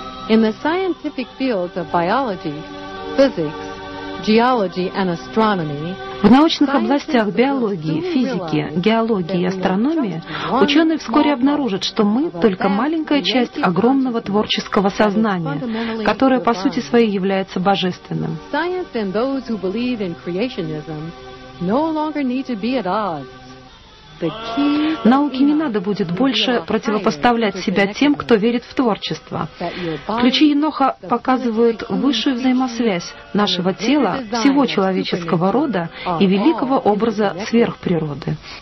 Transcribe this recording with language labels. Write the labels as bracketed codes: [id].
[en] In the scientific fields of biology, physics, geology and astronomy, [ru] в научных областях биологии, физики, геологии и астрономии ученые вскоре обнаружат, что мы только маленькая часть огромного творческого сознания, которое по сути своей является божественным. [en] Science and those who believe in creationism no longer need to be at odds. [ru] Науке не надо будет больше противопоставлять себя тем, кто верит в творчество. Ключи Еноха показывают высшую взаимосвязь нашего тела, всего человеческого рода и великого образа сверхприроды.